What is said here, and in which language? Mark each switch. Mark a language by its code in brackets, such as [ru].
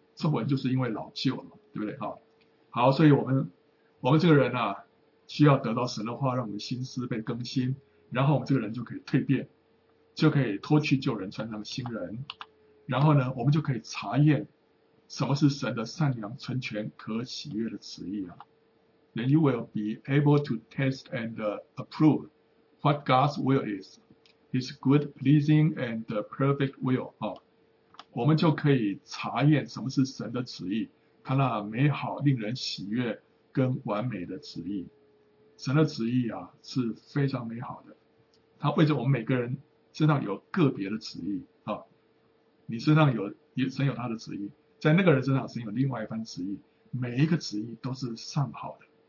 [zh] 皱纹就是因为老旧了，对不对？好，所以我们这个人啊，需要得到神的话，让我们心思被更新，然后我们这个人就可以蜕变，就可以脱去旧人，穿上新人。然后呢，我们就可以查验什么是神的善良、纯全、可喜悦的旨意啊。 [en] Then you will be able to test and approve what God's will is, His good, pleasing, and perfect will. [zh] 我们就可以查验什么是神的旨意，他那美好、令人喜悦跟完美的旨意。神的旨意啊，是非常美好的。他为着我们每个人身上有个别的旨意啊，你身上有，神有他的旨意，在那个人身上神有另外一番旨意，每一个旨意都是上好的。